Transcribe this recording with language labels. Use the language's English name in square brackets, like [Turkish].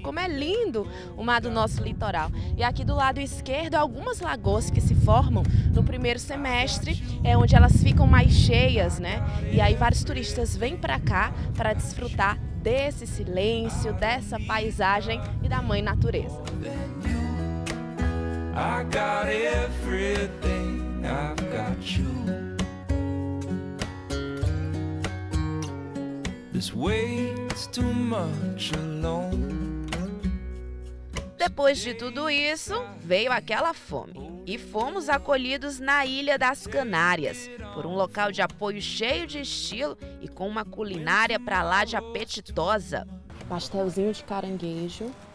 [Portuguese] Como é lindo o mar do nosso litoral. E aqui do lado esquerdo, algumas lagoas que se formam no primeiro semestre, onde elas ficam mais cheias, né? E aí vários turistas vêm pra cá para desfrutar desse silêncio, dessa paisagem e da mãe natureza. [English] I got everything, I've got you. This weight's too much alone. [Portuguese] Depois de tudo isso, veio aquela fome. E fomos acolhidos na Ilha das Canárias, por um local de apoio cheio de estilo e com uma culinária pra lá de apetitosa. Pastelzinho de caranguejo.